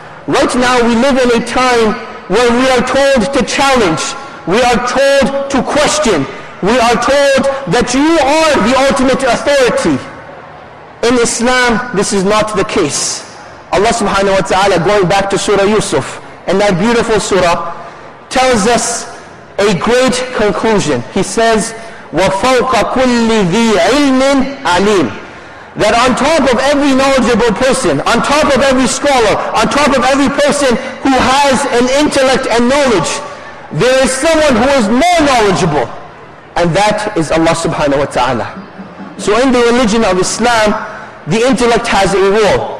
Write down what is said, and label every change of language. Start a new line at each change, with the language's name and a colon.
English: Right now we live in a time where we are told to challenge, we are told to question, we are told that you are the ultimate authority. In Islam, this is not the case. Allah subhanahu wa ta'ala, going back to Surah Yusuf, and that beautiful surah, tells us a great conclusion. He says,
Arabic: وَفَوْقَ كُلِّ ذِي عِلْمٍ عَلِيمٍ.
English: That on top of every knowledgeable person, on top of every scholar, on top of every person who has an intellect and knowledge, there is someone who is more knowledgeable. And that is Allah subhanahu wa ta'ala. So in the religion of Islam, the intellect has a role.